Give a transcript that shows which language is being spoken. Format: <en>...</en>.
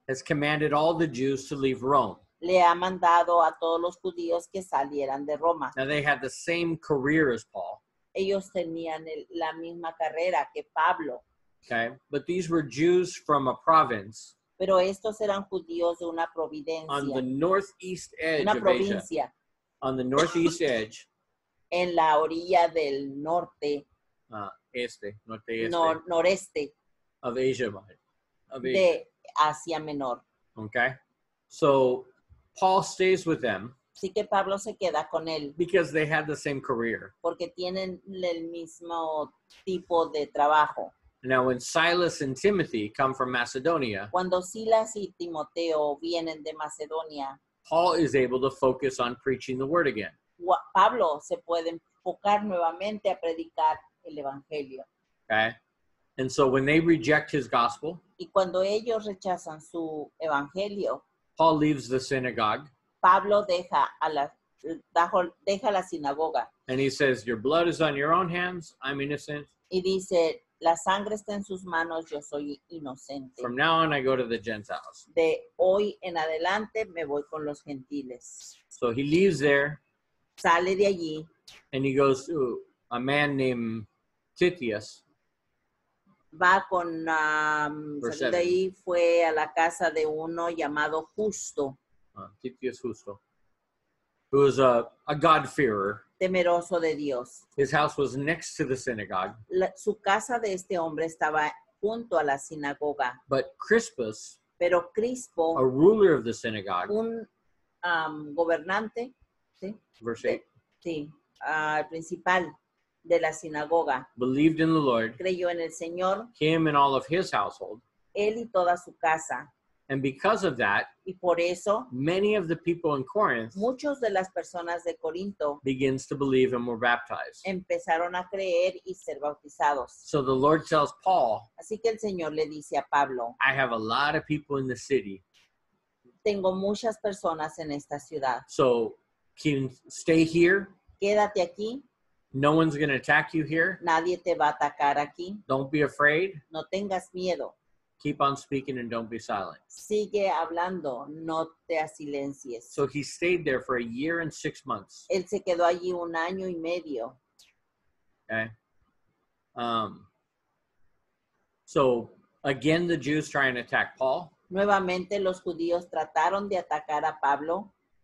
<en>Has commanded all the Jews to leave Rome.</en> <es>Le ha mandado a todos los judíos que salieran de Roma.</es> <en>Now they had the same career as Paul.</en> <es>Ellos tenían la misma carrera que Pablo.</es> <en>Okay, but these were Jews from a province.</en> <es>Pero estos eran judíos de una providencia.</es> <en>On the northeast edge</en> <es>una provincia.</es> <en>Of Asia. On the northeast edge.</en> <es>En la orilla del norte. Noreste.</es> <en>Of Asia Minor.</en> <es>De Asia Menor.</es> <en>Okay. So Paul stays with them.</en> <es>Así que Pablo se queda con él.</es> <en>Because they had the same career.</en> <es>Porque tienen el mismo tipo de trabajo.</es> <en>Now when Silas and Timothy come from Macedonia.</en> <es>Cuando Silas y Timoteo vienen de Macedonia.</es> <en>Paul is able to focus on preaching the word again.</en> <es>Pablo se puede enfocar nuevamente a predicar el evangelio.</es> <en>Okay. And so when they reject his gospel,</en> <es>y cuando ellos rechazan su evangelio,</es> <en>Paul leaves the synagogue.</en> <es>Pablo deja la sinagoga.</es> <en>And he says, "Your blood is on your own hands. I'm innocent."</en> <es>Y dice, "La sangre está en sus manos, yo soy inocente."</es> <en>From now on, I go to the Gentiles.</en> <es>De hoy en adelante, me voy con los gentiles.</es> <en>So he leaves there.</en> <es>Sale de allí.</es> <en>And he goes to a man named Titius.</en> <es>Va con, de ahí fue a la casa de uno llamado Justo.</es> <en>Titius Justo. Who is a God-fearer.</en> <es>Temeroso de Dios.</es> <en>His house was next to the synagogue.</en> <es>Su casa de este hombre estaba junto a la sinagoga.</es> <en>But Crispus,</en> <es>pero Crispo,</es> <en>a ruler of the synagogue,</en> <es>un gobernante, ¿sí?</es> <en>Verse 8.</en> <es>Sí, principal de la sinagoga.</es> <en>Believed in the Lord.</en> <es>Creyó en el Señor.</es> <en>Him and all of his household.</en> <es>Él y toda su casa.</es> <en>And because of that,</en> <es>y por eso,</es> <en>many of the people in Corinth,</en> <es>muchos de las personas de Corinto,</es> <en>begins to believe and were baptized.</en> <es>Empezaron a creer y ser bautizados.</es> <en>So the Lord tells Paul,</en> <es>así que el Señor le dice a Pablo,</es> <en>I have a lot of people in the city.</en> <es>Tengo muchas personas en esta ciudad.</es> <en>So can stay here.</en> <es>Quédate aquí.</es> <en>No one's going to attack you here.</en> <es>Nadie te va a atacar aquí.</es> <en>Don't be afraid.</en> <es>No tengas miedo.</es> <en>Keep on speaking and don't be silent.</en> <es>Sigue hablando, no te asilencies.</es> <en>So he stayed there for a year and 6 months.</en> <es>Él se quedó allí un año y medio.</es> <en>Okay. So again, the Jews try and attack Paul.</en> <es>Nuevamente, los judíos trataron de atacar a Pablo.</es>